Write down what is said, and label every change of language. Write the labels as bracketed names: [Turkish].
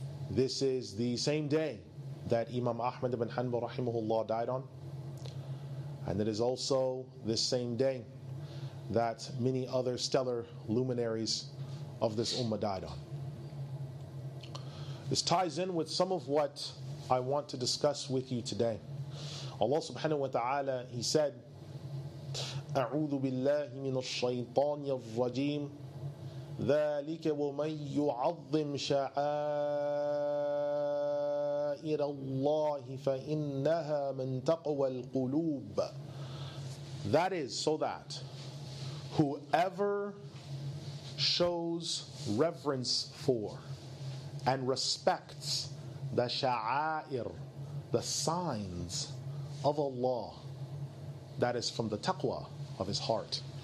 [English] This is the same day that Imam Ahmad ibn Hanbal rahimahullah died on, and it is also this same day that many other stellar luminaries of this ummah died on. This ties in with some of what I want to discuss with you today. Allah subhanahu wa ta'ala, he said, [Arabic] أعوذ بالله من الشيطان الرجيم ذلك ومن يعظم شعائر الله فإنها من تقوى القلوب. [English] That is, so that whoever shows reverence for and respects the sha'air, the signs of Allah, that is from the taqwa of his heart.